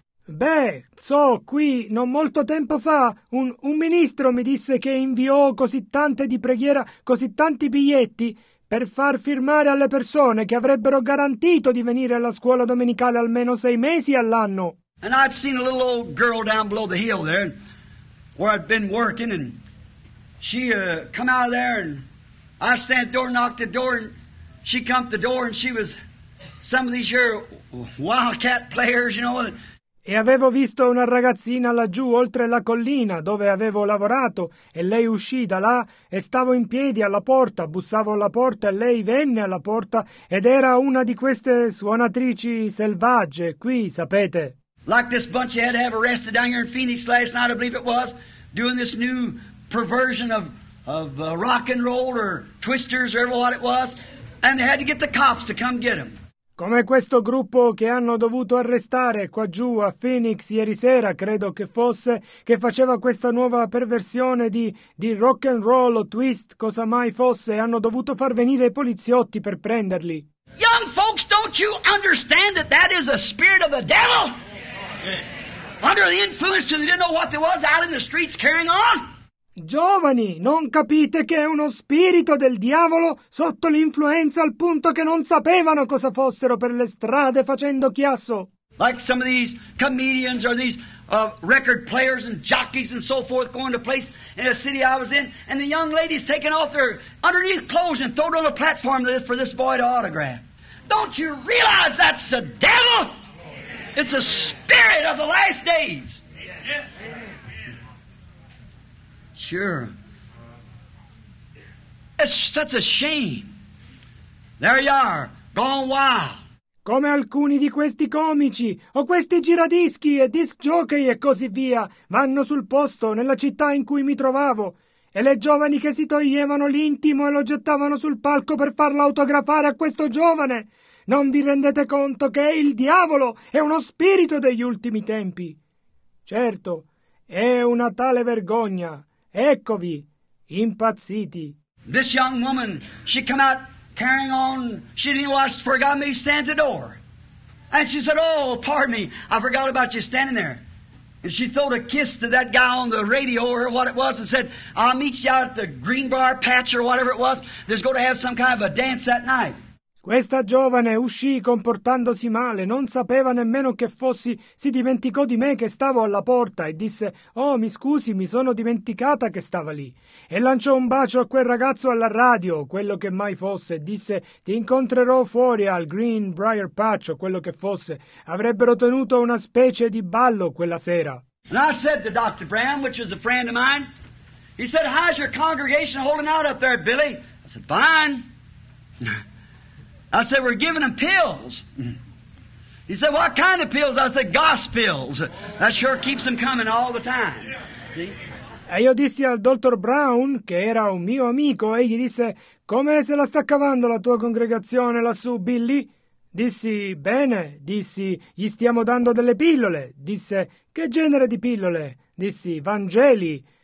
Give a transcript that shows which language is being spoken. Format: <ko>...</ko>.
<it>Beh, so, qui, non molto tempo fa, un ministro mi disse che inviò così tante di preghiera, così tanti biglietti, per far firmare alle persone che avrebbero garantito di venire alla scuola domenicale almeno 6 mesi all'anno.</it> <en>And I'd seen a little old girl down below the hill there, where I'd been working, and she come out of there, and I stand at the door, knocked the door, and she come to the door, and she was some of these here wildcat players, you know.</en> <it>E avevo visto una ragazzina laggiù oltre la collina dove avevo lavorato e lei uscì da là e stavo in piedi alla porta, bussavo alla porta e lei venne alla porta ed era una di queste suonatrici selvagge qui, sapete.</it> <en>Like this bunch you had to have arrested down here in Phoenix last night, I believe it was, doing this new perversion of rock and roll or twisters or whatever it was, and they had to get the cops to come get them.</en> <it>Come questo gruppo che hanno dovuto arrestare qua giù a Phoenix ieri sera, credo che fosse, che faceva questa nuova perversione di rock and roll o twist, cosa mai fosse, hanno dovuto far venire i poliziotti per prenderli.</it> <en>Young folks, don't you understand that that is the spirit of the devil? Under the influence, they didn't know what there was out in the streets carrying on?</en> <it>Giovani, non capite che è uno spirito del diavolo sotto l'influenza al punto che non sapevano cosa fossero per le strade facendo chiasso?</it> <en>Like some of these comedians or these record players and jockeys and so forth going to place in a city I was in, and the young ladies taking off their underneath clothes and throw it on the platform for this boy to autograph. Don't you realize that's the devil? It's a spirit of the last days. Sure. It's such a shame. There you are, gone wild.</en> <it>Come alcuni di questi comici, o questi giradischi e disc jockey e così via, vanno sul posto nella città in cui mi trovavo, e le giovani che si toglievano l'intimo e lo gettavano sul palco per farlo autografare a questo giovane. Non vi rendete conto che il diavolo è uno spirito degli ultimi tempi? Certo, è una tale vergogna. Eccovi, impazziti.</it> <en>This young woman, she come out carrying on, she didn't watch, forgot me, stand at the door. And she said, oh, pardon me, I forgot about you standing there. And she throwed a kiss to that guy on the radio or what it was and said, I'll meet you out at the Greenbrier Patch or whatever it was. There's going to have some kind of a dance that night.</en> <it>Questa giovane uscì comportandosi male, non sapeva nemmeno che fossi, si dimenticò di me che stavo alla porta e disse, oh, mi scusi, mi sono dimenticata che stava lì. E lanciò un bacio a quel ragazzo alla radio, quello che mai fosse, e disse, ti incontrerò fuori al Greenbrier Patch, o quello che fosse. Avrebbero tenuto una specie di ballo quella sera.</it> <en>And I said to Dr. Brown, which was a friend of mine, he said, how's your congregation holding out up there, Billy? I said, fine. I said, we're giving them pills. He said, what kind of pills? I said, gospels. That sure keeps them coming all the time.</en> <it>E io dissi al dottor Brown, che era un mio amico, e gli disse, come se la sta cavando la tua congregazione lassù, Billy? Dissi, bene. Dissi, gli stiamo dando delle pillole. Disse, che genere di pillole? Dissi, Vangeli.</it>